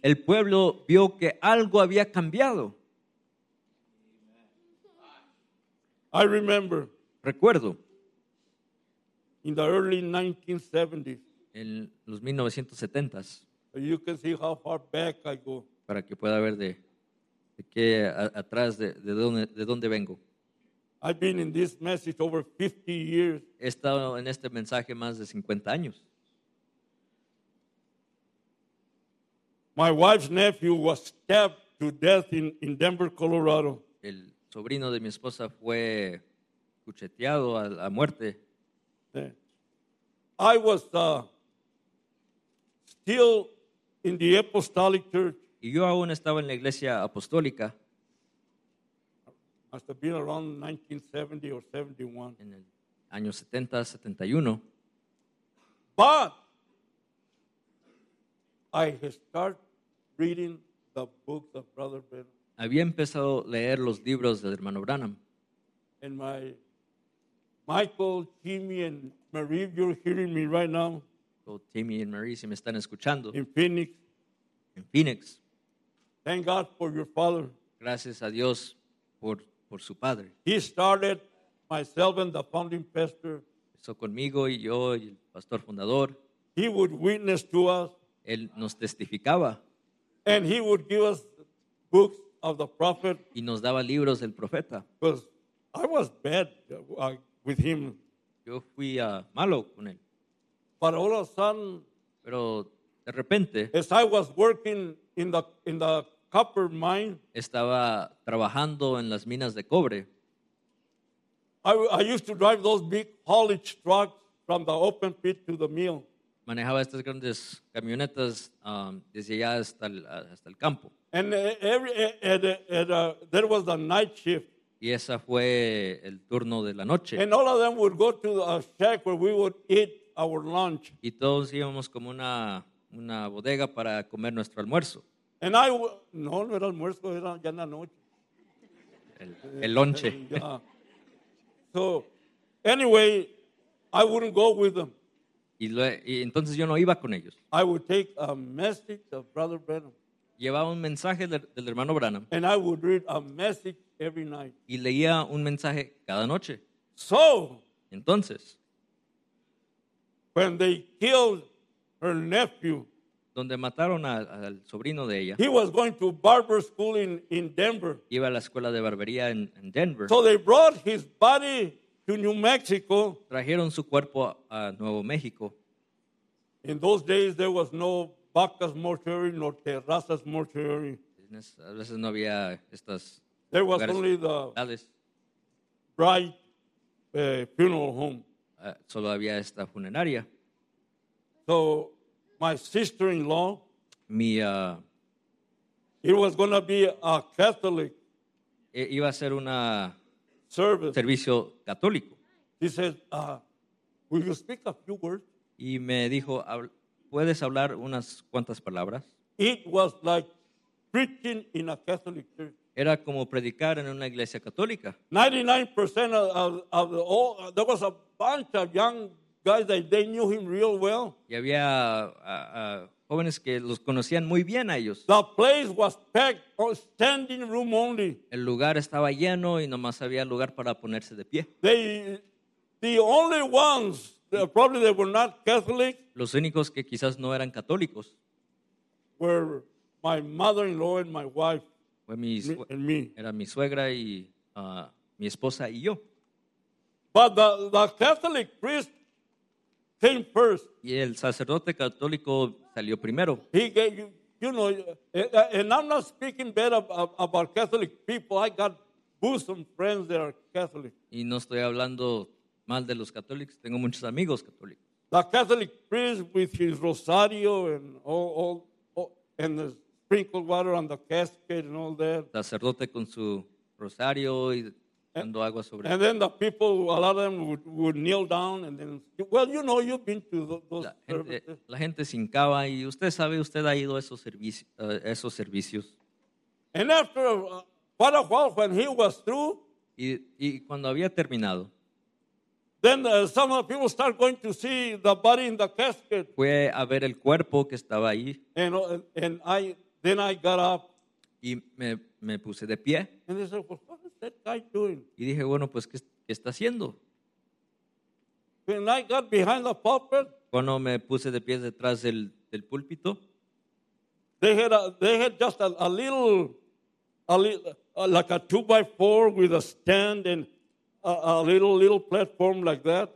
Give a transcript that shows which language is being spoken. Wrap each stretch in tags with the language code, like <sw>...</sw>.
<es>El pueblo vio que algo había cambiado.</es> <en>I remember.</en> <es>Recuerdo.</es> <en>In the early 1970s.</en> <es>En los 1970s.</es> <en>You can see how far back I go.</en> <es>Para que pueda ver de qué atrás de dónde vengo.</es> <en>I've been in this message over 50 years.</en> <es>He estado en este mensaje más de 50 años.</es> <en>My wife's nephew was stabbed to death in Denver, Colorado.</en> <es>El sobrino de mi esposa fue cucheteado a muerte.</es> <en>I was still in the apostolic church.</en> <es>Y yo aún estaba en la iglesia apostólica.</es> <en>Must have been around 1970 or 71.</en> <es>En el año 70, 71.</es> <en>But I had started reading the books of Brother Branham.</en> <es>Había empezado a leer los libros del hermano Branham.</es> <en>And my Michael, Timmy, and Marie, you're hearing me right now.</en> <es>So, Timmy and Marie, si me están escuchando.</es> <en>In Phoenix. In Phoenix. Thank God for your father.</en> <es>Gracias a Dios por su padre.</es> <en>He started myself and the founding pastor.</en> <es>Eso conmigo y yo y el pastor fundador.</es> <en>He would witness to us.</en> <es>Él nos testificaba.</es> <en>And he would give us books of the prophet.</en> <es>Y nos daba libros del profeta.</es> <en>Because I was bad with him.</en> <es>Yo fui malo con él.</es> <en>But all of a sudden.</en> <es>Pero de repente.</es> <en>As I was working in the copper mine.</en> <es>Estaba trabajando en las minas de cobre.</es> <en>I used to drive those big haulage trucks from the open pit to the mill.</en> <es>Manejaba estas grandes camionetas desde allá hasta el campo.</es> <en>And there was the night shift.</en> <es>Y esa fue el turno de la noche.</es> <en>And all of them would go to a shack where we would eat our lunch.</en> <es>Y todos íbamos como una bodega para comer nuestro almuerzo.</es> <en>And I</en> <es>no era almuerzo, era ya en la noche. El lonche.</es> <en>So anyway, I wouldn't go with them.</en> <es>Y entonces yo no iba con ellos.</es> <en>I would take a message of Brother Branham.</en> <es>Llevaba un mensaje del hermano Branham.</es> <en>And I would read a message every night.</en> <es>Y leía un mensaje cada noche.</es> <en>So,</en> <es>entonces,</es> <en>when they killed her nephew,</en> <es>donde mataron al sobrino de ella,</es> <en>he was going to barber school in Denver.</en> <es>Iba a la escuela de barbería en Denver.</es> <en>So they brought his body to New Mexico.</en> <es>Trajeron su cuerpo a Nuevo México.</es> <en>In those days, there was no Vacas Mortuary nor Terrazas Mortuary.</en> <es>darkness. A veces no había estas.</es> <en>There was only the Alice. Bright funeral home.</en> <es>Solo había esta funeraria.</es> <en>So my sister-in-law, it was going to be a Catholic.</en> <es>Iba a ser una</es> <en>service.</en> <es>Servicio católico.</es> <en>He said, "Will you speak a few words?"</en> <es>Y me dijo, ¿puedes hablar unas cuantas palabras?</es> <en>It was like preaching in a Catholic church.</en> <es>Era como predicar en una iglesia católica.</es> <en>99% of all, there was a bunch of young guys that they knew him real well.</en> <es>Y había jóvenes que los conocían muy bien a ellos.</es> <en>The place was packed, standing room only.</en> <es>El lugar estaba lleno y nomás había lugar para ponerse de pie.</es> <en>The only ones, probably they were not Catholic.</en> <es>Los únicos que quizás no eran católicos.</es> <en>Were my mother-in-law and my wife.</en> <es>Era mi suegra y mi esposa y yo.</es> <en>But the Catholic priest came first.</en> <es>Y el sacerdote católico salió primero.</es> <en>And I'm not speaking bad about Catholic people. I got bosom friends that are Catholic.</en> <es>Y no estoy hablando mal de los católicos. Tengo muchos amigos católicos.</es> <en>The Catholic priest with his rosario and all and the sprinkled water on the casket and all that.</en> <es>Sacerdote con su rosario y dando agua sobre.</es> <en>And then the people, a lot of them would kneel down and then, well, you know, you've been to those services.</en> <es>La gente se hincaba y usted sabe, usted ha ido a esos servicios.</es> <en>And after quite a while, when he was through,</en> <es>y cuando había terminado,</es> <en>then some of the people start going to see the body in the casket.</en> <es>Fue a ver el cuerpo que estaba ahí.</es> <en>Then I got up.</en> <es>Y me puse de pie.</es> <en>And they said, well, what is that guy doing?</en> <es>Y dije, bueno, pues, ¿qué está haciendo?</es> <en>When I got behind the pulpit.</en> <es>Cuando me puse de pie detrás del púlpito.</es> <en>They had just a little, like a 2x4 with a stand and a little platform like that.</en>